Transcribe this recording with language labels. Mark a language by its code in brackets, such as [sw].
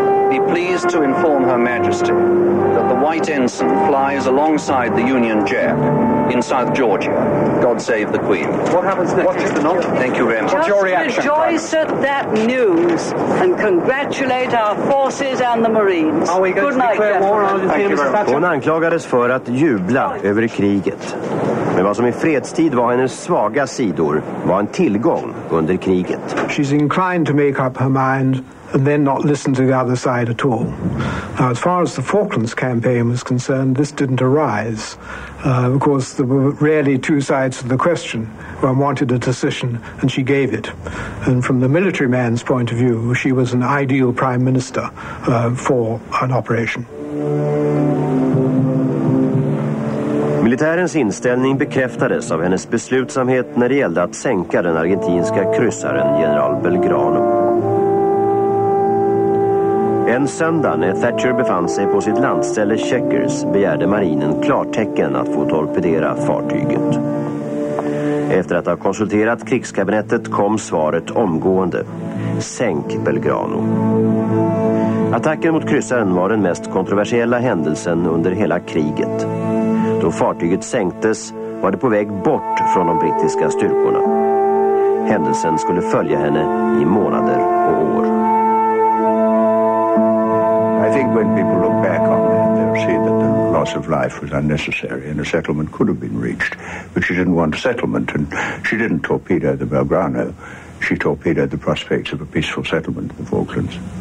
[en] Be pleased to inform Her Majesty that the White Ensign flies alongside the Union Jack in South Georgia. God save the Queen. What happens next? What is the note? Thank you very much. What's your reaction? Just rejoice at that news and congratulate our forces and the Marines. Are we going to declare war on the Mr. Thatcher? [sv] Hon anklagades för att jubla över kriget. Men vad som i fredstid var hennes svaga sidor var en tillgång under kriget. [en] She's inclined to make up her mind and then not listen to the other side at all. Now, as far as the Falklands campaign was concerned, this didn't arise. Of course, there were rarely two sides to the question. One wanted a decision, and she gave it. And from the military man's point of view, she was an ideal prime minister for an operation. [sv] Militärens inställning bekräftades av hennes beslutsamhet när det gällde att sänka den argentinska kryssaren general Belgrano. En söndag när Thatcher befann sig på sitt landställe Checkers begärde marinen klartecken att få torpedera fartyget. Efter att ha konsulterat krigskabinettet kom svaret omgående. Sänk Belgrano. Attacken mot kryssaren var den mest kontroversiella händelsen under hela kriget. Då fartyget sänktes var det på väg bort från de brittiska styrkorna. Händelsen skulle följa henne i månader och år. [en] I think when people look back on that, they'll see that the loss of life was unnecessary and a settlement could have been reached. But she didn't want a settlement, and she didn't torpedo the Belgrano. She torpedoed the prospects of a peaceful settlement in the Falklands.